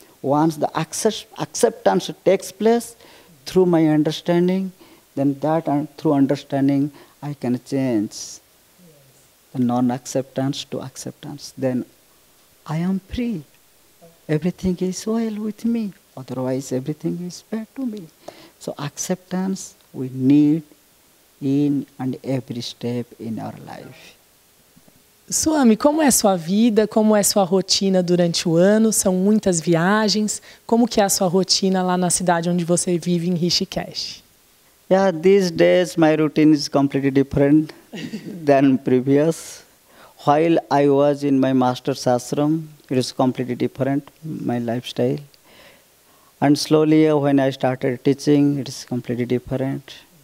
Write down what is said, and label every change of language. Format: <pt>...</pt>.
<en>Once the acceptance takes place through my understanding, then that through understanding, I can change the non-acceptance to acceptance. Then I am free. Everything is well with me. Otherwise, everything is bad to me. So acceptance we need in and every step in our life.</en> <pt>Swami, como é sua vida? Como é sua rotina durante o ano? São muitas viagens. Como que é a sua rotina lá na cidade onde você vive, em Rishikesh?</pt> <en>Yeah, these days my routine is completely different than previous. While I was in my master's ashram, it is completely different, my lifestyle. And slowly when I started teaching, it is completely different.</en>